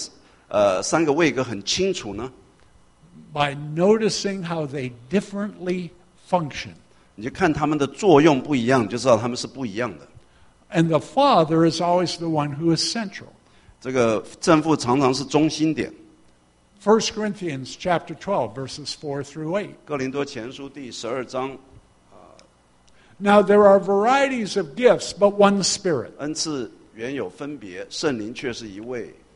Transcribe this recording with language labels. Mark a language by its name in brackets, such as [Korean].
[Chinese] 你怎么能够让三位一体的三个位格很清楚呢? [English] By noticing how they differently function. [Chinese] 你就看他们的作用不一样，就知道他们是不一样的。 [English] And the Father is always the one who is central. [Chinese] 这个正父常常是中心点。 [English] 1 Corinthians chapter 12, verses 4 through 8. [Chinese] 哥林多前书第12章。 [English] Now there are varieties of gifts, but one Spirit. [Chinese] 恩赐原有分别，圣灵却是一位。